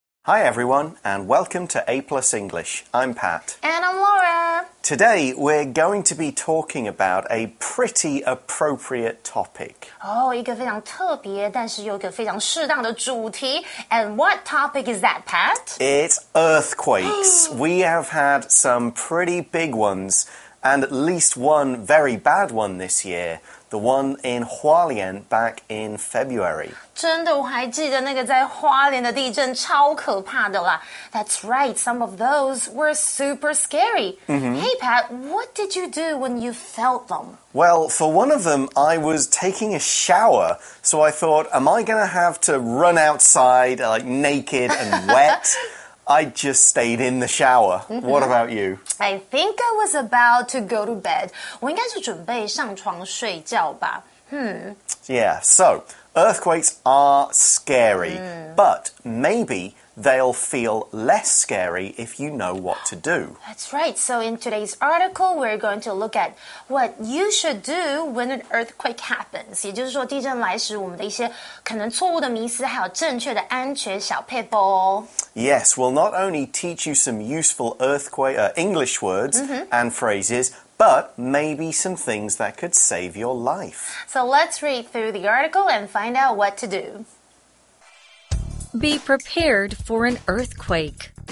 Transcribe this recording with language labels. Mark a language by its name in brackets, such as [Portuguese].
[English] Hi everyone, and welcome to A Plus English. I'm Pat. And I'm Laura. Today we're going to be talking about a pretty appropriate topic. [Chinese] Oh, 一个非常特别，但是又一个非常适当的主题。 [English] And what topic is that, Pat? It's earthquakes. We have had some pretty big ones, and at least one very bad one this year. The one in Hualien back in February. [Chinese] 真的，我还记得那个在花莲的地震超可怕的啦。 [English] That's right, some of those were super scary.、 Mm-hmm. Hey Pat, what did you do when you felt them? Well, for one of them, I was taking a shower. So I thought, am I going to have to run outside, like, naked and wet? I just stayed in the shower.、Mm-hmm. What about you? I think I was about to go to bed. [Chinese] 我应该是准备上床睡觉吧。 [English] Yeah, so earthquakes are scary,、mm. but maybe they'll feel less scary if you know what to do. That's right. So in today's article, we're going to look at what you should do when an earthquake happens. [Chinese] 也就是说地震来时我们的一些可能错误的迷思还有正确的安全小撇步哦。 [English] Yes, we'll not only teach you some useful earthquake, English words、mm-hmm. and phrases, but maybe some things that could save your life. So let's read through the article and find out what to do. Be prepared for an earthquake.